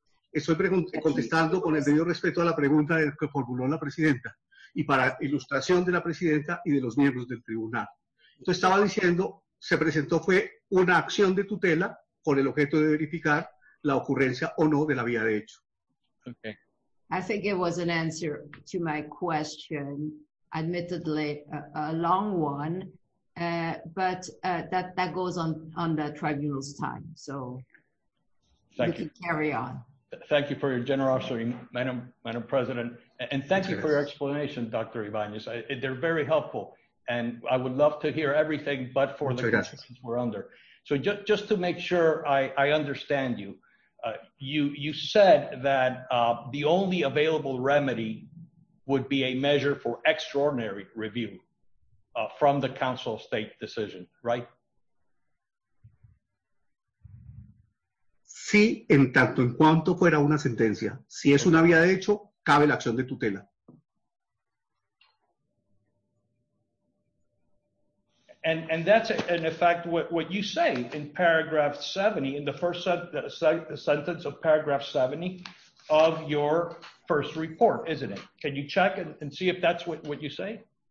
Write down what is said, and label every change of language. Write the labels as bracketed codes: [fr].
[es] Estoy contestando con el debido respeto a la pregunta que formuló la presidenta, y para ilustración de la presidenta y de los miembros del tribunal. Entonces estaba diciendo, se presentó fue una acción de tutela con el objeto de verificar la ocurrencia o no de la vía de hecho. [en] Okay. I think it was an answer to my question, admittedly a long one, but that goes on the tribunal's time. So thank you. Can carry on. Thank you for your generosity, Madam President. And thank you for your explanation, Dr. Ibanez. They're very helpful. And I would love to hear everything, but for the conditions we're under. So just to make sure I understand you, you said that the only available remedy would be a measure for extraordinary review from the Council of State decision, right? [es] Sí, en tanto en cuanto fuera una sentencia. Si es una vía de hecho, cabe la acción de tutela. [en] And that's, in effect, what you say in paragraph 70, in the first sentence of paragraph 70 of your first report, isn't it? Can you check and see if that's what you say?